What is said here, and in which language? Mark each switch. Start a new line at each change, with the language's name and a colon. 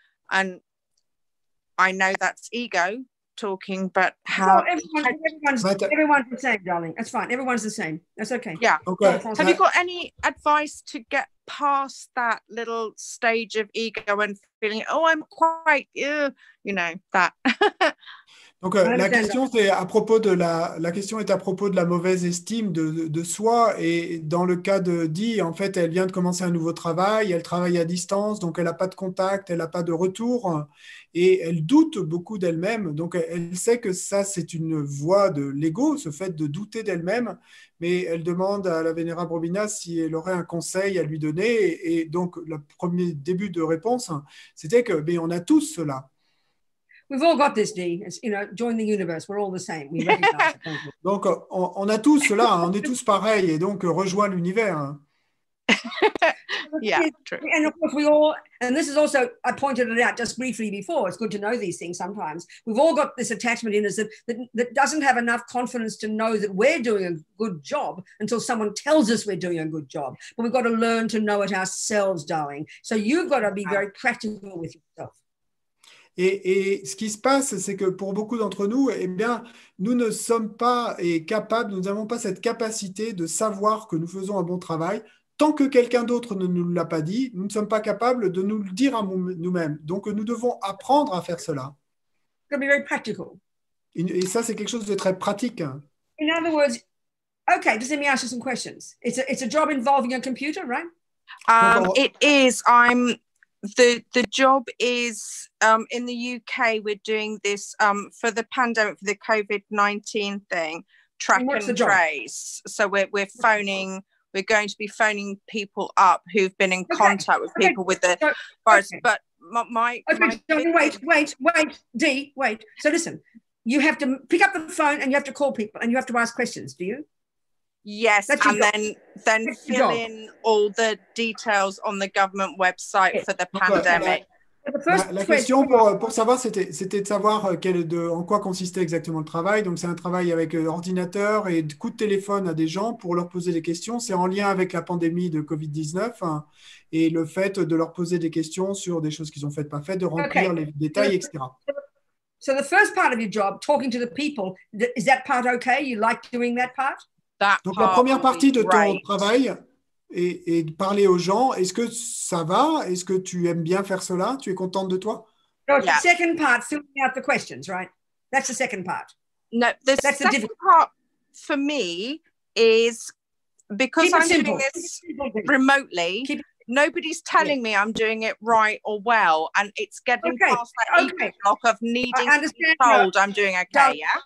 English: And I know that's ego talking, but how? Well, everyone's the same, darling. That's fine. Everyone's the same. That's okay. Yeah. Okay. Have you got any advice to get past that little stage of ego and feeling, oh, I'm quite, you know, that?
French: Donc la question c'est à propos de la question est à propos de la mauvaise estime de soi, et dans le cas de Dee, en fait, elle vient de commencer un nouveau travail, elle travaille à distance, donc elle n'a pas de contact, elle n'a pas de retour, et elle doute beaucoup d'elle-même. Donc elle sait que ça, c'est une voie de l'ego, ce fait de douter d'elle-même, mais elle demande à la Vénérable Robina si elle aurait un conseil à lui donner. Et donc le premier début de réponse, c'était que mais on a tous cela.
English: We've all got this, Dee. You know, join the universe. We're all the same. We recognize it.
French: Donc, on a tous cela. On est tous pareils. Et donc, rejoins l'univers.
English: Yeah, true. And of course, we all, and this is also, I pointed it out just briefly before. It's good to know these things sometimes. We've all got this attachment in us that doesn't have enough confidence to know that we're doing a good job until someone tells us we're doing a good job. But we've got to learn to know it ourselves, darling. So you've got to be very practical with yourself.
French: Et ce qui se passe, c'est que pour beaucoup d'entre nous, eh bien, nous ne sommes pas capables, nous n'avons pas cette capacité de savoir que nous faisons un bon travail. Tant que quelqu'un d'autre ne nous l'a pas dit, nous ne sommes pas capables de nous le dire à nous-mêmes. Donc, nous devons apprendre à faire cela.
English: It's going to be very practical.
French: Et ça, c'est quelque chose de très pratique.
English: In other words, okay, just let me ask you some questions. It's a job involving a computer, right? It is. The job is in the UK. We're doing this for the pandemic, for the COVID-19 thing, track and trace. So we're going to be phoning people up who've been in contact with people with the virus. Okay. But wait, Dee. So listen, you have to pick up the phone and you have to call people and you have to ask questions, do you? Yes, then fill in all the details on the government website for the pandemic.
French: La question pour savoir, c'était de savoir en quoi consistait exactement le travail. Donc, c'est un travail avec ordinateur et coup de téléphone à des gens pour leur poser des questions. C'est en lien avec la pandémie de COVID-19, hein, et le fait de leur poser des questions sur des choses qu'ils ont faites, pas faites, de remplir les détails, etc.
English: So the first part of your job, talking to the people, is that part okay? You like doing that part?
French: Donc, la première partie de ton travail est de parler aux gens. Est-ce que ça va? Est-ce que tu aimes bien faire cela? Tu es contente de toi?
English: So, yeah. The second part, filling out the questions, right? That's the second part. No, the That's second the part for me is because Keep I'm doing this remotely, nobody's telling me I'm doing it right or well, and it's getting past that ego block of needing to be told I'm doing okay,